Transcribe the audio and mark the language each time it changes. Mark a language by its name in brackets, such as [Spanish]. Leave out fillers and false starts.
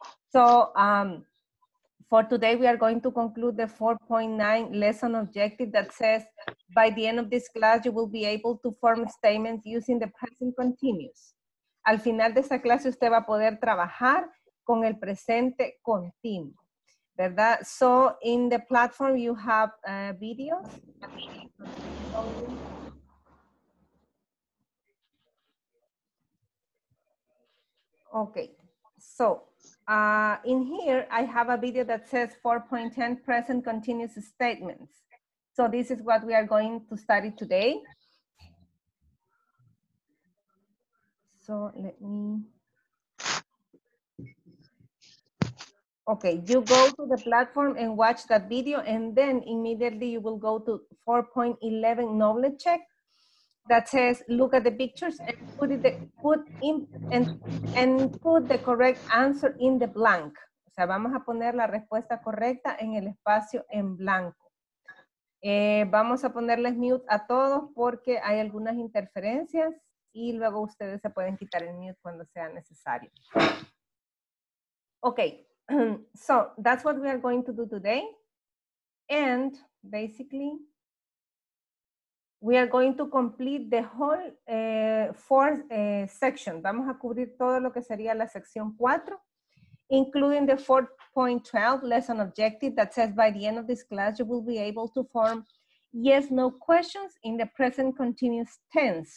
[English] So for today, we are going to conclude the 4.9 lesson objective that says, by the end of this class, you will be able to form statements using the present continuous. [Spanish] Al final de esta clase, usted va a poder trabajar con el presente continuo, ¿verdad? [English] So in the platform, you have videos. Okay, so in here, I have a video that says 4.10 present continuous statements. So this is what we are going to study today. So let me... Okay, you go to the platform and watch that video, and then immediately you will go to 4.11 knowledge check. That says, look at the pictures and put the correct answer in the blank. [Spanish] O sea, vamos a poner la respuesta correcta en el espacio en blanco. Vamos a ponerles mute a todos porque hay algunas interferencias y luego ustedes se pueden quitar el mute cuando sea necesario. [English] Okay, so that's what we are going to do today. And basically, we are going to complete the whole fourth section. [Spanish] Vamos a cubrir todo lo que sería la sección 4, [English] including the 4.12 lesson objective that says by the end of this class, you will be able to form yes, no questions in the present continuous tense.